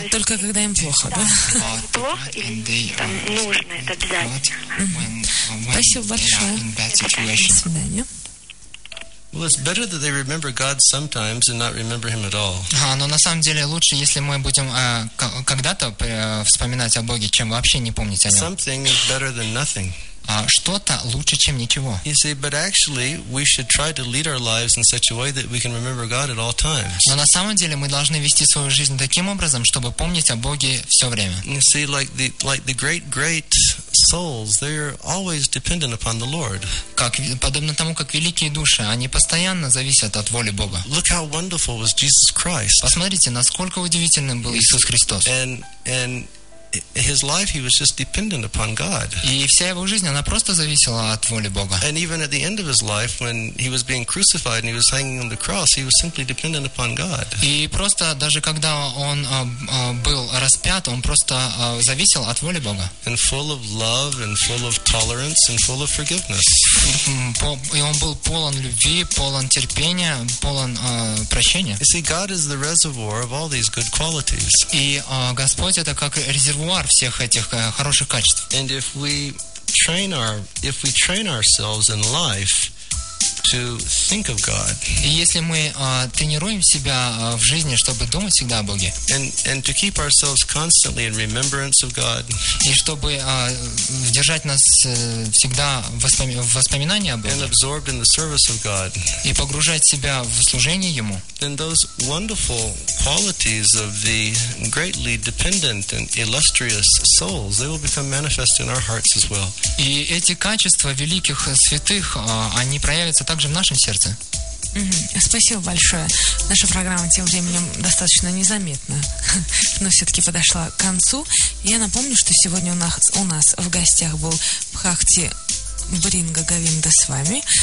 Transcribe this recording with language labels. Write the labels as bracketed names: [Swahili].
[Russian] Только когда им плохо, да? Плохо или нужно, это обязательно. Спасибо большое. До свидания. [English] Well, it's better that they remember God sometimes and not remember Him at all. [Russian] Но на самом деле лучше, если мы будем когда-то вспоминать о Боге, чем вообще не помнить о Нем. [English] Something is better than nothing. [Russian] Что-то лучше, чем ничего. [English] You see, but actually, we should try to lead our lives in such a way that we can remember God at all times. [Russian] Но на самом деле мы должны вести свою жизнь таким образом, чтобы помнить о Боге все время. [English] You see, like the great souls, they're always dependent upon the Lord. [Russian] Как подобно тому, как великие души, они постоянно зависят от воли Бога. [English] Look how wonderful was Jesus Christ. [Russian] Посмотрите, насколько удивительным был Иисус Христос. [English] And his life, he was just dependent upon God. [Russian] И вся его жизнь, она просто зависела от воли Бога. [English] And even at the end of his life, when he was being crucified and he was hanging on the cross, he was simply dependent upon God. [Russian] И просто даже когда он был распят, он просто зависел от воли Бога. [English] And full of love and full of tolerance and full of forgiveness. [Russian] И он был полон любви, полон терпения, полон прощения. [English] You see, God is the reservoir of all these good qualities. [Russian] И Господь это как резервуар всех этих хороших качеств. [English] And if we train ourselves in life to think of God. [Russian] И если мы тренируем себя в жизни, чтобы думать всегда о Боге. [English] And to keep ourselves constantly in remembrance of God. [Russian] И чтобы держать нас всегда в воспоминании о Боге. [English] And absorbed in the service of God. [Russian] И погружать себя в служение Ему. [English] Then those wonderful qualities of the greatly dependent and illustrious souls, they will become manifest in our hearts as well. [Russian] И эти качества великих святых, они проявятся также в нашем сердце. Спасибо большое. Наша программа тем временем достаточно незаметно, но все-таки подошла к концу. Я напомню, что сегодня у нас в гостях был Бхакти Бринга Говинда с вами.